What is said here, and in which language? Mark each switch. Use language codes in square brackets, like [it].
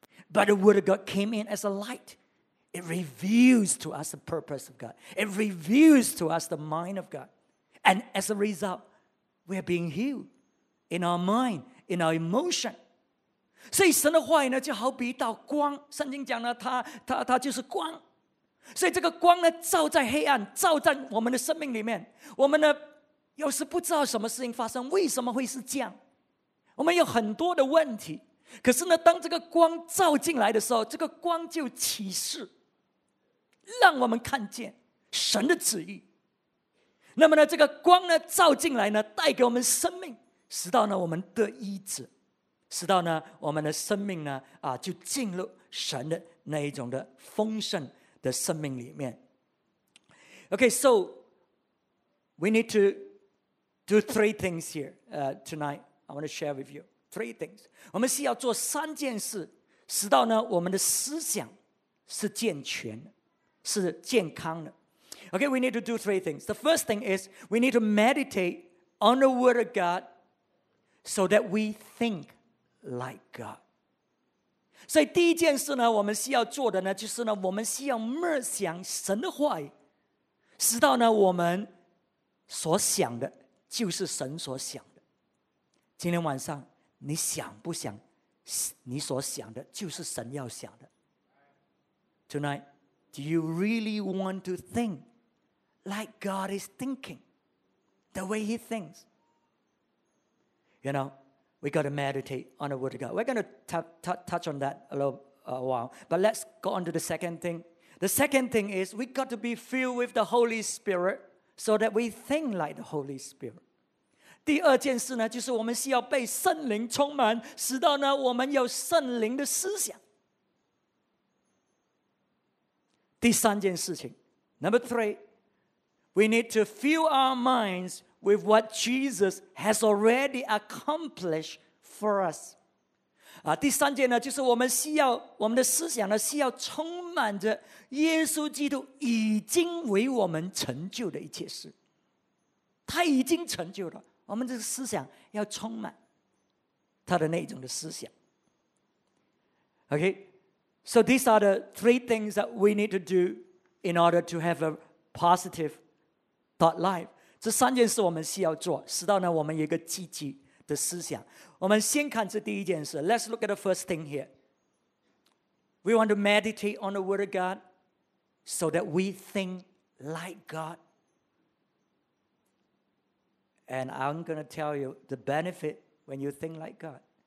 [en] But the word of God came in as a light. It reveals to us the purpose of God. It reveals to us the mind of God. And as a result, we are being healed in our mind, in our emotion. [zh] 所以神的话语呢就好比一道光，圣经讲呢 它就是光，所以这个光呢照在黑暗，照在我们的生命里面，我们呢有时不知道什么事情发生，为什么会是这样，我们有很多的问题，可是呢当这个光照进来的时候，这个光就启示让我们看见神的旨意，那么呢这个光呢照进来呢带给我们生命，使到呢我们得医治，使到呢我们的生命呢啊就进入神的那一种的丰盛的生命里面。 [en] OK, so we need to do three things here tonight. I want to share with you three things. [zh] 我们需要做三件事，使到呢我们的思想是健全的，是健康的。 [en] OK, we need to do three things. The first thing is we need to meditate on the word of God so that we think like God. [zh] 所以第一件事呢，我们需要做的呢，就是呢，我们需要默想神的话语，使到呢我们所想的就是神所想的。今天晚上你想不想你所想的就是神要想的？ [en] Tonight, do you really want to think like God is thinking, the way he thinks? You know, we got to meditate on the word of God. We're going to touch on that a little while, but let's go on to the second thing. The second thing is we got to be filled with the Holy Spirit so that we think like the Holy Spirit. [zh] 第二件事呢，就是我们需要被圣灵充满，使到呢我们有圣灵的思想。第三件事情 [en] ，Number three, we need to fill our minds with what Jesus has already accomplished for us. [zh] 第三件呢，就是我们需要我们的思想呢，需要充满着耶稣基督已经为我们成就的一切事。他已经成就了，我们这个思想要充满他的那种的思想。 [en] Okay, so these are the three things that we need to do in order to have a positive thought life. [zh] 这三件事我们需要做，使到呢我们有一个积极的思想。我们先看这第一件事。 [en] Let's look at the first thing here. We want to meditate on the word of God so that we think like God. And I'm going to tell you the benefit when you think like God.